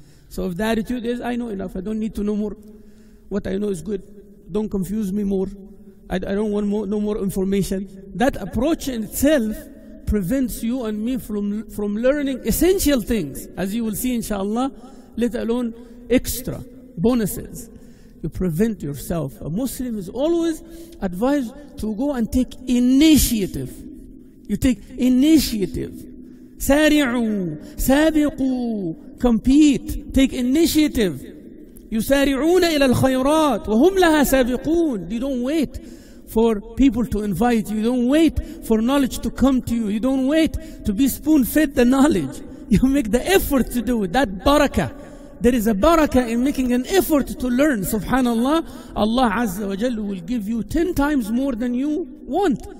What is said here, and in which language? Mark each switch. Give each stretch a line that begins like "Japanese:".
English: So if the attitude is, I know enough, I don't need to know more, what I know is good, don't confuse me more, I don't want more information, that approach in itself prevents you and me from learning essential things, as you will see inshallah, let alone extra bonuses. You prevent yourself. A Muslim is always advised to go and take initiative. You take initiative.
Arabic: سارعوا سابقوا
English: compete take initiative
Arabic: يسارعون إلى الخيرات وهم لها سابقون.
English: They don't wait for people to invite you. You don't wait for knowledge to come to you. You don't wait to be spoon-fed the knowledge. You make the effort to do it. That barakah. There is a barakah in making an effort to learn. Subhanallah, Allah Azza wa Jalla will give you 10 times more than you want.